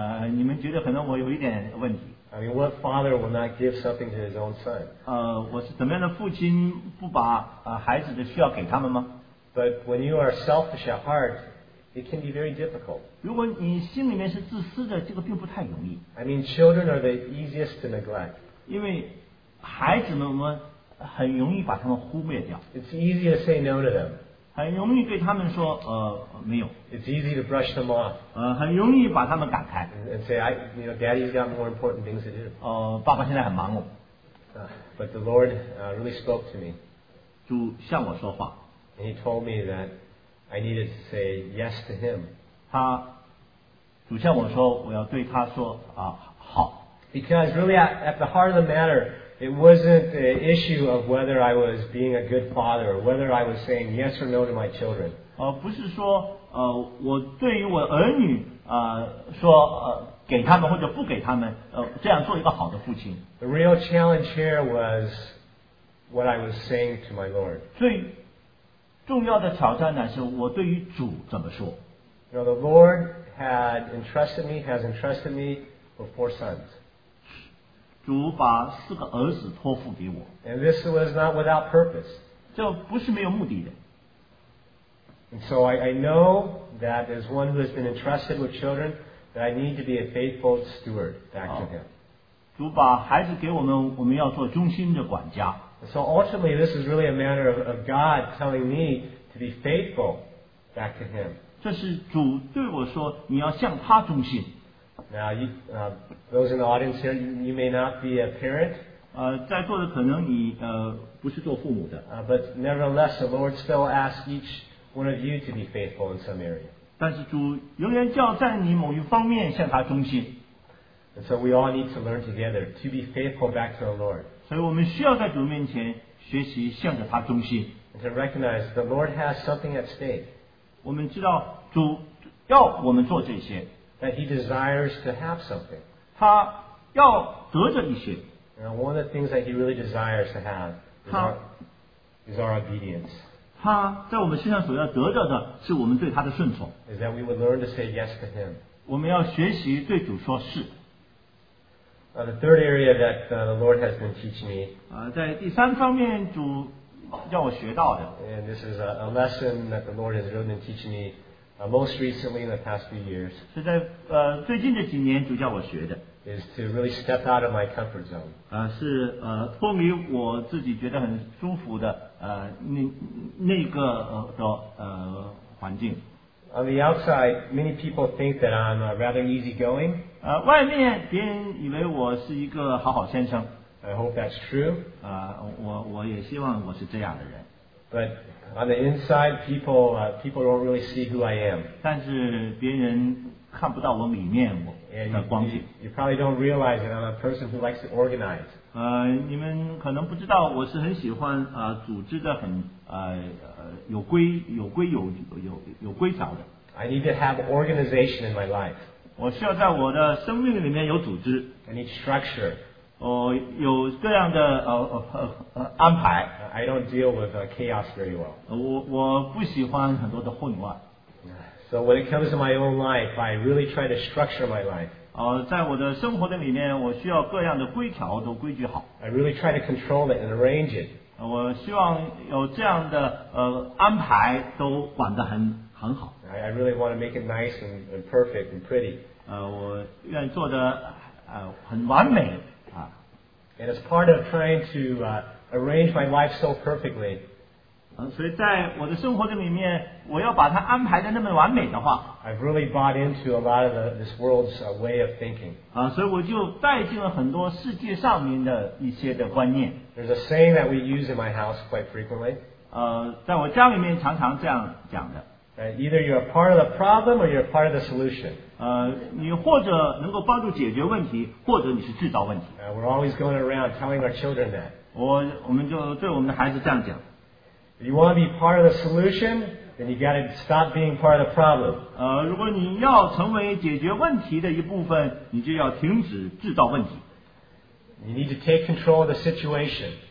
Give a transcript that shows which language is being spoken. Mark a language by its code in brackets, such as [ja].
[zh] 你们觉得可能我有一点问题。 [en] I mean, what father will not give something to his own son? [zh] 我是怎么样的父亲不把孩子的需要给他们吗？ [en] But when you are selfish at heart, it can be very difficult. [zh] 如果你心里面是自私的，这个并不太容易。 [en] I mean, children are the easiest to neglect. [zh] 因为孩子们我们很容易把他们忽略掉。 [en] It's easy to say no to them. [zh] 很容易对他们说没有。 [en] It's easy to brush them off. [zh] 很容易把他们赶开。 [en] And say, Daddy's got more important things to do. [zh] 爸爸现在很忙哦。 [en] But the Lord really spoke to me. [zh] 主向我说话。 [en] And He told me that I needed to say yes to Him. [zh] 他主向我说我要对他说好。 [en] Because really at the heart of the matter, it wasn't the issue of whether I was being a good father or whether I was saying yes or no to my children. [zh] 不是说我对于我儿女说给他们或者不给他们这样做一个好的父亲。 [en] The real challenge here was what I was saying to my Lord. [zh] 最重要的挑战呢是我对于主怎么说。 [en] You know, the Lord has entrusted me with four sons. [zh] 主把四个儿子托付给我。 [en] And this was not without purpose. [zh] 这不是没有目的的。 [en] And so I know that as one who has been entrusted with children, that I need to be a faithful steward back to him. [zh] 主把孩子给我们，我们要做忠心的管家。 [en] So ultimately, this is really a matter of God telling me to be faithful back to him. [zh] 这是主对我说，你要向他忠心。 [en] Now, you, those in the audience here, you may not be a parent. [zh] 在座的可能你不是做父母的。 [en] But nevertheless, the Lord still asks each one of you to be faithful in some area. [zh] 但是主仍然叫在你某一方面向他忠心。 [en] And so we all need to learn together to be faithful back to the Lord. [zh] 所以我们需要在主面前学习向着他忠心。 [en] And to recognize the Lord has something at stake. [zh] 我们知道主要我们做这些。 [en] That he desires to have something. [zh] 他要得着一些。 [en] Now, one of the things that he really desires to have is our obedience. [zh] 他在我们身上所要得着的是我们对他的顺从。 [en] Is that we would learn to say yes to him. [zh] 我们要学习对主说是。 [en] The third area that the Lord has been teaching me. [zh] 在第三方面主要我学到的。 [en] And this is a lesson that the Lord has really been teaching me. Most recently in the past few years, [zh] 是在最近这几年主叫我学的 [en] is to really step out of my comfort zone. [zh] 是脱离我自己觉得很舒服的那个环境。 [en] On the outside, many people think that I'm rather easygoing. [zh] 外面别人以为我是一个好好先生。 [en] I hope that's true. [zh] 我也希望我是这样的人。 [en] But On the inside, people don't really see who I am. [zh] 但是别人看不到我里面我的光景。 [en] You probably don't realize that I'm a person who likes to organize. [zh] 你们可能不知道我是很喜欢组织的很有规则的。 [en] I need to have organization in my life. [zh] 我需要在我的生命里面有组织。 [en] I need structure. [zh] 有各样的安排。 [en] I don't deal with chaos very well. [zh] 我不喜欢很多的混乱。 [en] So when it comes to my own life, I really try to structure my life. [zh] 在我的生活的里面，我需要各样的规条都规矩好。 [en] I really try to control it and arrange it. [zh] 我希望有这样的安排都管得很好。 [en] I really want to make it nice and perfect and pretty. [zh] 我愿做得很完美。 [en] And as part of trying to arrange my life so perfectly, [zh] 所以在我的生活里面，我要把它安排的那么完美的话 [en] ，I've really bought into a lot of this world's way of thinking. [zh] 所以我就带进了很多世界上面的一些的观念。 [en] There's a saying that we use in my house quite frequently. [zh] 在我家里面常常这样讲的。 [en] Either you're a part of the problem or you're a part of the solution. [zh] 你或者能够帮助解决问题，或者你是制造问题。 [en] We're always going around telling our children that. [zh] 我们就对我们的孩子这样讲。 [en] If you want to be part of the solution, then you got to stop being part of the problem. [zh] 如果你要成为解决问题的一部分，你就要停止制造问题。 [en] You need to take control of the situation.